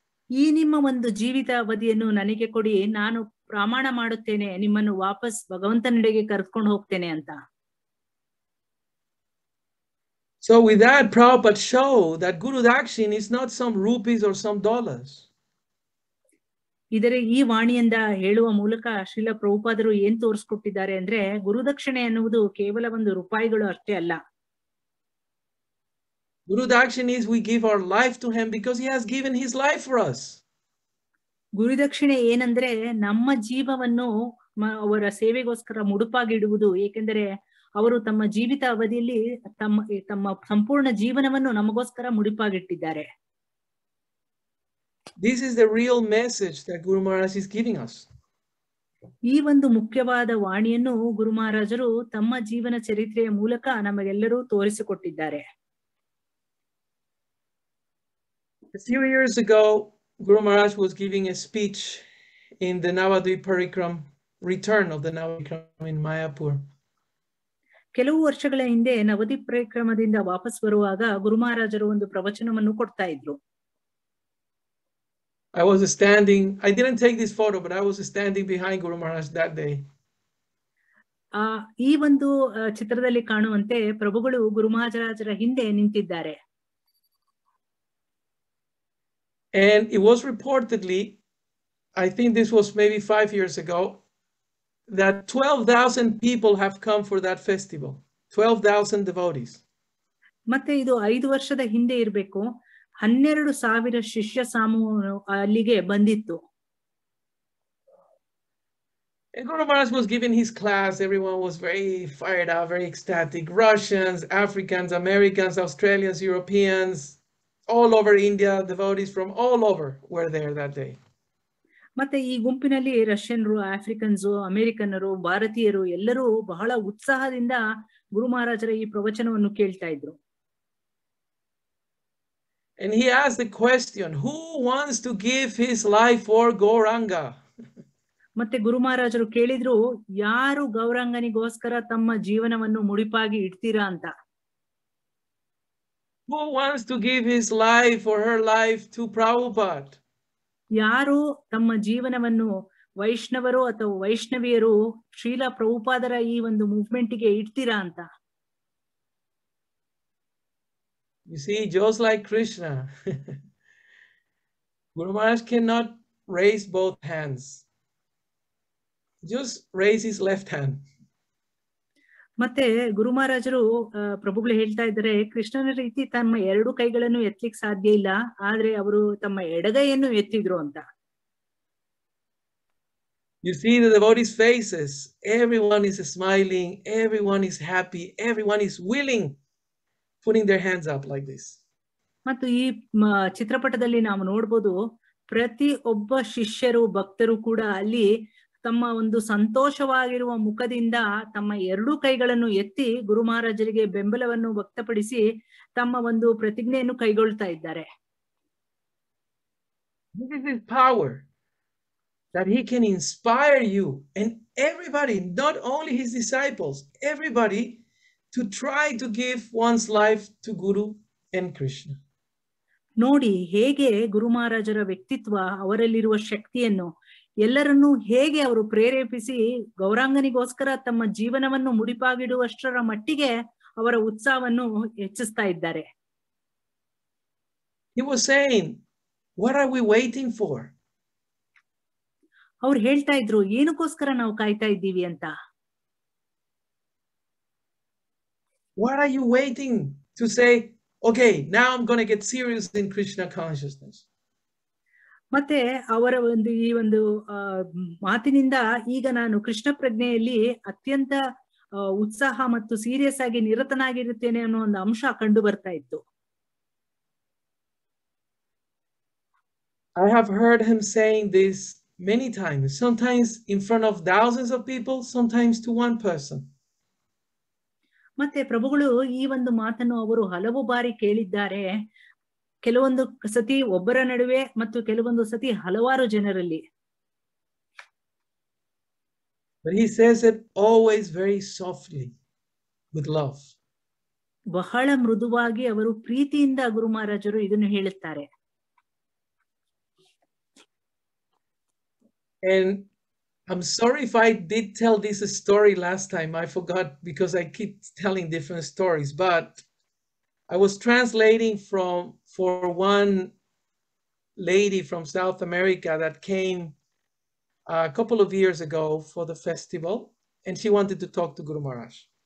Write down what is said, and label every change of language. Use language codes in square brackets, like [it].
[kn] ಈ ನಿಮ್ಮ ಒಂದು ಜೀವಿತ ಅವಧಿಯನ್ನು ನನಗೆ ಕೊಡಿ, ನಾನು ಪ್ರಮಾಣ ಮಾಡುತ್ತೇನೆ ನಿಮ್ಮನ್ನು ವಾಪಸ್ ಭಗವಂತನೆಡೆಗೆ ಕರ್ಕೊಂಡು ಹೋಗ್ತೇನೆ ಅಂತ. [en] So with that, Prabhupada showed that Guru Dakshin is not some rupees or some dollars. [kn] ಇದರ ಈ ವಾಣಿಯಿಂದ ಹೇಳುವ ಮೂಲಕ ಶ್ರೀಲ ಪ್ರಭುಪಾದರು ಏನ್ ತೋರಿಸ್ಕೊಟ್ಟಿದ್ದಾರೆ ಅಂದ್ರೆ, ಗುರುದಕ್ಷಿಣೆ ಎನ್ನುವುದು ಕೇವಲ ಒಂದು ರೂಪಾಯಿಗಳು ಅಷ್ಟೇ ಅಲ್ಲ. [en] Guru Dakshin is we give our life to him because he has given his life for us. [kn] ಗುರುದಕ್ಷಿಣೆ ಏನಂದ್ರೆ, ನಮ್ಮ ಜೀವವನ್ನು ಅವರ ಸೇವೆಗೋಸ್ಕರ ಮುಡುಪಾಗಿಡುವುದು, ಏಕೆಂದರೆ ಅವರು ತಮ್ಮ ಜೀವಿತ ಅವಧಿಯಲ್ಲಿ ತಮ್ಮ ಸಂಪೂರ್ಣ ಜೀವನವನ್ನು ನಮಗೋಸ್ಕರ ಮುಡಿಪಾಗಿಟ್ಟಿದ್ದಾರೆ. [en] This is the real message that Guru Maharaj is giving us. [kn] ಈ ಒಂದು ಮುಖ್ಯವಾದ ವಾಣಿಯನ್ನು ಗುರು ಮಹಾರಾಜರು ತಮ್ಮ ಜೀವನ ಚರಿತ್ರೆಯ ಮೂಲಕ ನಮಗೆಲ್ಲರೂ ತೋರಿಸಿಕೊಟ್ಟಿದ್ದಾರೆ. [en] A few years ago, Guru Maharaj was giving a speech in the Navadvip Parikram, return of the Navadvip in Mayapur. [kn] ಕೆಲವು ವರ್ಷಗಳ ಹಿಂದೆ ನವದೀಪ್ ಪರಿಕ್ರಮದಿಂದ ವಾಪಸ್ ಬರುವಾಗ ಗುರು ಮಹಾರಾಜರು ಒಂದು ಪ್ರವಚನವನ್ನು ಕೊಡ್ತಾ ಇದ್ರು. [en] I was standing, I didn't take this photo, but I was standing behind Guru Maharaj that day. [kn] ಈ ಒಂದು ಚಿತ್ರದಲ್ಲಿ ಕಾಣುವಂತೆ ಪ್ರಭುಗಳು ಗುರು ಮಹಾರಾಜರ ಹಿಂದೆ ನಿಂತಿದ್ದಾರೆ. [en] And it was reportedly, I think this was maybe 5 years ago, that 12,000 people have come for that festival, 12,000 devotees. [kn] ಮತ್ತೆ ಇದು 5 ವರ್ಷದ ಹಿಂದೆ ಇರಬೇಕು, 12,000 ಶಿಷ್ಯ ಸಾಮೂಹವು ಅಲ್ಲಿಗೆ ಬಂದಿತ್ತು. [en] Guru Maharaj was giving his class, everyone was very fired up, very ecstatic, Russians, Africans, Americans, Australians, Europeans, all over India, devotees from all over were there that day. [kn] ಮತ್ತೆ ಈ ಗುಂಪಿನಲ್ಲಿ ರಷ್ಯನ್ರು, ಆಫ್ರಿಕನ್ಸ್, ಅಮೆರಿಕನ್ನರು, ಭಾರತೀಯರು ಎಲ್ಲರೂ ಬಹಳ ಉತ್ಸಾಹದಿಂದ ಗುರು ಮಹಾರಾಜರ ಈ ಪ್ರವಚನವನ್ನು ಕೇಳ್ತಾ ಇದ್ರು. [en] And he asked the question, who wants to give his life for Gauranga? [kn] ಮತ್ತೆ ಗುರು ಮಹಾರಾಜರು ಕೇಳಿದ್ರು, ಯಾರು ಗೌರಾಂಗನಿಗೋಸ್ಕರ ತಮ್ಮ ಜೀವನವನ್ನು ಮುಡಿಪಾಗಿ ಇಡ್ತೀರಾ ಅಂತ. [en] Who wants to give his life or her life to Prabhupada? [kn] ಯಾರು ತಮ್ಮ ಜೀವನವನ್ನು ವೈಷ್ಣವರು ಅಥವಾ ವೈಷ್ಣವಿಯರು ಶ್ರೀಲ ಪ್ರಭುಪಾದರ ಈ ಒಂದು ಮೂವ್ಮೆಂಟ್ ಗೆ ಇಡ್ತೀರಾ ಅಂತ. [en] You see, just like Krishna, Guru Maharaj cannot raise both hands. Just raise his left hand. [kn] ಮತ್ತೆ ಗುರು ಮಹಾರಾಜರು ಪ್ರಭುಗಳು ಹೇಳ್ತಾ ಇದ್ದಾರೆ, ಕೃಷ್ಣನ ರೀತಿ ತಮ್ಮ ಎರಡು ಕೈಗಳನ್ನು ಎತ್ತಲಿಕ್ಕೆ ಸಾಧ್ಯ ಇಲ್ಲ, ಆದ್ರೆ ಅವರು ತಮ್ಮ ಎಡಗೈಯನ್ನು ಎತ್ತಿದ್ರು ಅಂತ. [en] You see the devotee's faces, everyone is smiling, everyone is happy, everyone is willing, putting their hands up like this. [kn] ಮತ್ತು ಈ ಚಿತ್ರಪಟದಲ್ಲಿ ನಾವು ನೋಡಬಹುದು, ಪ್ರತಿ ಒಬ್ಬ ಶಿಷ್ಯರು ಭಕ್ತರು ಕೂಡ ಅಲ್ಲಿ ತಮ್ಮ ಒಂದು ಸಂತೋಷವಾಗಿರುವ ಮುಖದಿಂದ ತಮ್ಮ ಎರಡೂ ಕೈಗಳನ್ನು ಎತ್ತಿ ಗುರು ಮಹಾರಾಜರಿಗೆ ಬೆಂಬಲವನ್ನು ವ್ಯಕ್ತಪಡಿಸಿ ತಮ್ಮ ಒಂದು ಪ್ರತಿಜ್ಞೆಯನ್ನು ಕೈಗೊಳ್ತಾ ಇದ್ದಾರೆ. [en] This is his power that he can inspire you and everybody, not only his disciples, everybody to try to give one's life to Guru and Krishna. [kn] ನೋಡಿ ಹೇಗೆ ಗುರು ಮಹಾರಾಜರ ವ್ಯಕ್ತಿತ್ವ, ಅವರಲ್ಲಿರುವ ಶಕ್ತಿಯನ್ನು ಎಲ್ಲರನ್ನೂ ಹೇಗೆ ಅವರು ಪ್ರೇರೇಪಿಸಿ ಗೌರಾಂಗನಿಗೋಸ್ಕರ ತಮ್ಮ ಜೀವನವನ್ನು ಮುಡಿಪಾಗಿಡುವಷ್ಟರ ಮಟ್ಟಿಗೆ ಅವರ ಉತ್ಸಾಹವನ್ನು ಹೆಚ್ಚಿಸ್ತಾ ಇದ್ದಾರೆ. [en] He was saying, what are we waiting for? [kn] ಅವ್ರು ಹೇಳ್ತಾ ಇದ್ರು ಏನಕ್ಕೋಸ್ಕರ ನಾವು ಕಾಯ್ತಾ ಇದ್ದೀವಿ ಅಂತ. [en] What are you waiting to say, okay, now I'm going to get serious in Krishna consciousness? [kn] ಮತ್ತೆ ಅವರ ಒಂದು ಈ ಒಂದು ಮಾತಿನಿಂದ ಈಗ ನಾನು ಕೃಷ್ಣ ಪ್ರಜ್ಞೆಯಲ್ಲಿ ಅತ್ಯಂತ ಉತ್ಸಾಹ ಮತ್ತು ಸೀರಿಯಸ್ ಆಗಿ ನಿರತನಾಗಿರುತ್ತೇನೆ ಅನ್ನೋ ಒಂದು ಅಂಶ ಕಂಡು ಬರ್ತಾ ಇತ್ತು. [en] I have heard him saying this many times, sometimes in front of thousands of people, sometimes to one person. [kn] ಮತ್ತೆ ಪ್ರಭುಗಳು ಈ ಒಂದು ಮಾತನ್ನು ಅವರು ಹಲವು ಬಾರಿ ಕೇಳಿದ್ದಾರೆ, ಕೆಲವೊಂದು ಸತಿ ಒಬ್ಬರ ನಡುವೆ ಮತ್ತು ಕೆಲವೊಂದು ಸತಿ ಹಲವಾರು ಜನರಲ್ಲಿ. [en] But he says it always very softly, with love. [kn] ಬಹಳ ಮೃದುವಾಗಿ ಅವರು ಪ್ರೀತಿಯಿಂದ ಗುರು ಮಹಾರಾಜರು ಇದನ್ನು ಹೇಳುತ್ತಾರೆ. [en] And I'm sorry if I did tell this story last time. I forgot because I keep telling different stories. But I was translating for one lady from South America that came a couple of years ago for the festival, and she wanted to talk to Guru Maharaj.